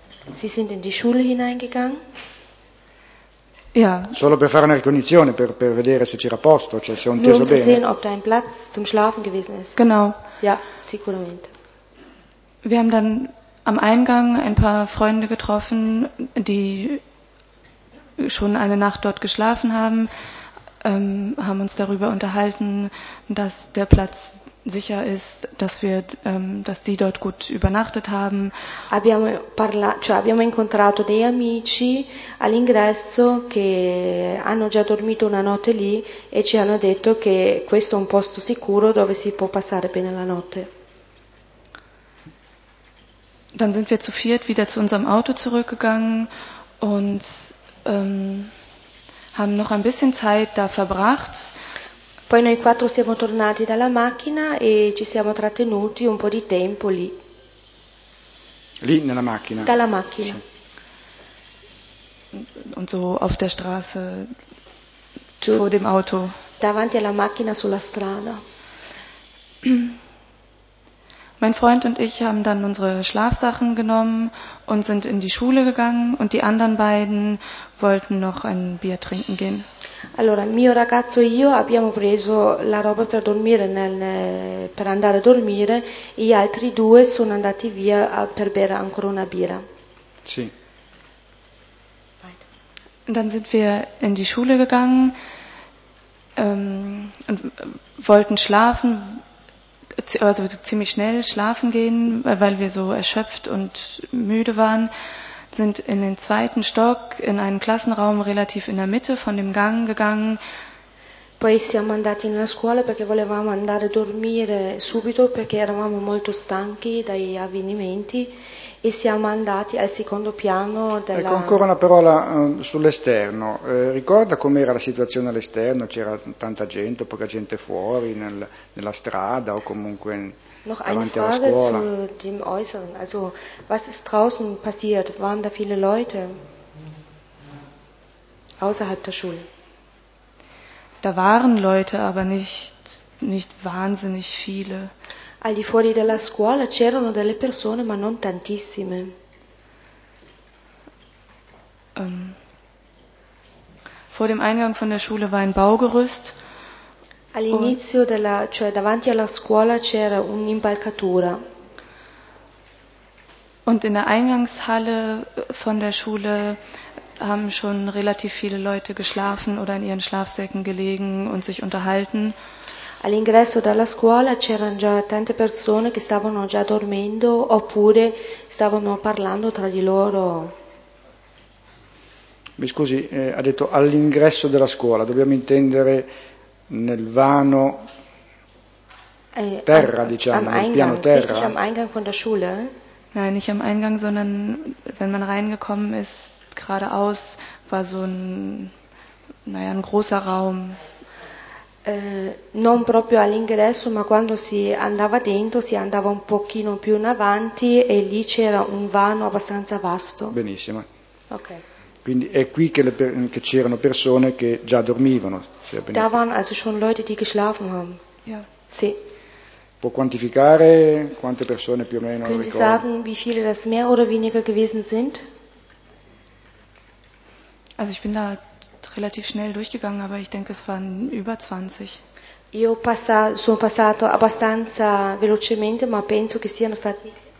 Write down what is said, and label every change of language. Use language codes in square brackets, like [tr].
[de] Sie sind in die Schule hineingegangen. Ja. [it] Solo per fare una ricognizione, per vedere se c'era posto, cioè se ho inteso bene. [de] Nur um zu sehen, ob da ein Platz zum Schlafen gewesen ist. Genau. [it] Ja, sicuramente. [de] Wir haben dann am Eingang ein paar Freunde getroffen, die schon eine Nacht dort geschlafen haben, haben uns darüber unterhalten, dass der Platz sicher ist, dass wir, dass die dort gut übernachtet haben. [it] Abbiamo parlato, cioè abbiamo incontrato dei amici all'ingresso che hanno già dormito una notte lì e ci hanno detto che questo è un posto sicuro dove si può passare bene la notte. [de] Dann sind wir zu viert wieder zu unserem Auto zurückgegangen und haben noch ein bisschen Zeit da verbracht. [it] Poi noi quattro siamo tornati dalla macchina e ci siamo trattenuti un po' di tempo lì. Lì nella macchina. Dalla macchina. Sì. [de] Und so auf der Straße vor dem Auto. [it] Davanti alla macchina sulla strada. [de] Mein Freund und ich haben dann unsere Schlafsachen genommen und sind in die Schule gegangen und die anderen beiden wollten noch ein Bier trinken gehen. [it] Allora, mio ragazzo e io abbiamo preso la roba per dormire, per andare a dormire, e gli altri due sono andati via per bere ancora una birra. Sì. [de] Dann sind wir in die Schule gegangen, und wollten schlafen, also ziemlich schnell schlafen gehen, weil wir so erschöpft und müde waren. Sind in den zweiten Stock in einen Klassenraum relativ in der Mitte von dem Gang gegangen. [it] Poi siamo andati nella scuola perché volevamo andare a dormire subito perché eravamo molto stanchi dai avvenimenti e siamo andati al secondo piano della. Ecco, ancora una parola sull'esterno. Ricorda com'era la situazione all'esterno? C'era tanta gente, poca gente fuori nella strada o comunque. [de] Noch eine Frage zu dem Äußeren. Also, was ist draußen passiert? Waren da viele Leute außerhalb der Schule? Da waren Leute, aber nicht wahnsinnig viele. [it] Al di fuori della scuola c'erano delle persone, ma non tantissime. [de] Vor dem Eingang von der Schule war ein Baugerüst. [it] All'inizio della, cioè davanti alla scuola c'era un'impalcatura. [de] Und in der Eingangshalle von der Schule haben schon relativ viele Leute geschlafen oder in ihren Schlafsäcken gelegen und sich unterhalten. [it] All'ingresso della scuola c'erano già tante persone che stavano già dormendo oppure stavano parlando tra di loro. Mi scusi, ha detto all'ingresso della scuola, dobbiamo intendere nel vano terra, diciamo, [de] am [it] nel Eingang, piano terra. [de] Nicht am Eingang von der Schule? Nein, nicht am Eingang, sondern wenn man reingekommen ist, geradeaus, war so ein, naja, ein großer Raum. [it] Non proprio all'ingresso, ma quando si andava dentro, si andava un pochino più in avanti e lì c'era un vano abbastanza vasto. Benissimo. Ok. Quindi è qui che, che c'erano persone che già dormivano. [de] Da waren also schon Leute, die geschlafen haben. Ja. [it] Sì. Può quantificare quante persone più o meno ricordo? [de] Können Sie sagen, wie viele das mehr oder weniger gewesen sind? Also ich bin da relativ schnell durchgegangen, aber ich denke, es waren über 20. [it] Io sono passato abbastanza velocemente, ma penso che siano stati